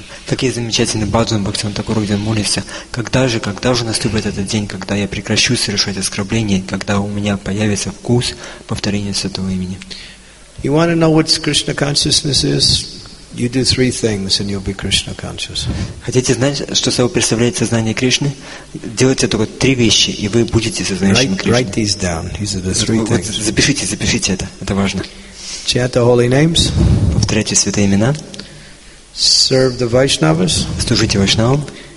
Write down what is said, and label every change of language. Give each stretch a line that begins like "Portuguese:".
Russian: Какие замечательные баджан Бхактивинода Тхакура, где молится: когда же наступит этот день, когда я прекращу совершать оскорбления, когда у меня появится вкус повторения святого имени?
English: You want to know what Krishna consciousness is? You do three things and you'll be Krishna conscious.
Russian: Хотите знать, что собой представляет сознание Кришны? Делайте только три вещи, и вы будете сознанием Кришны.
English: Write these down. These are the three things.
Russian: Запишите это. Это важно.
English: Chant the holy names.
Russian: Повторяйте святые имена.
English: Serve the Vaishnavas.
Russian: Служите Вайшнавам.